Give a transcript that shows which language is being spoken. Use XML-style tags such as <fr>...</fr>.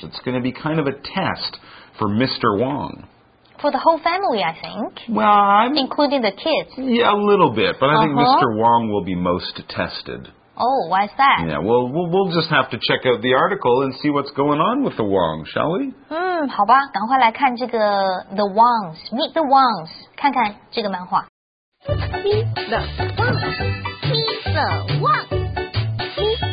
<en>It's going to be kind of a test for Mr. Wong. For the whole family, I think. Well, I'm... Including the kids. Yeah, a little bit. But I think Mr. Wong will be most tested. Oh, why is that? Yeah, well, we'll just have to check out the article and see what's going on with the Wong, shall we?</en> <zh>好吧，赶快来看这个 The Wongs, Meet the Wongs, 看看这个漫画。</zh> <en>Meet the Wongs, Meet the Wongs.</en>